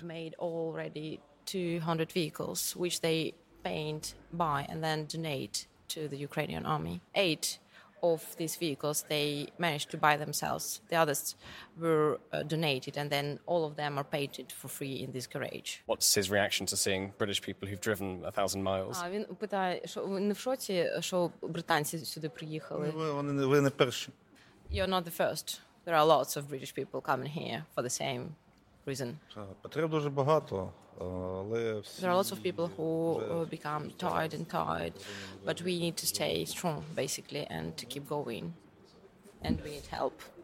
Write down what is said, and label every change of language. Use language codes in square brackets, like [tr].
[en] They've made already 200 vehicles, which they paint, buy and then donate to the Ukrainian army. 8 of these vehicles they managed to buy themselves. The others were donated and then all of them are painted for free in this garage. What's his reaction to seeing British people who've driven 1,000 miles? [uk] Він питає, що ви не в шоці, що британці сюди приїхали? Ви не перші. [en] You're not the first. There are lots of British people coming here for the same reason. [uk] Потреб дуже багато. [en] There are lots of people who become tired and tired, but we need to stay strong, basically, and to keep going. And we need help.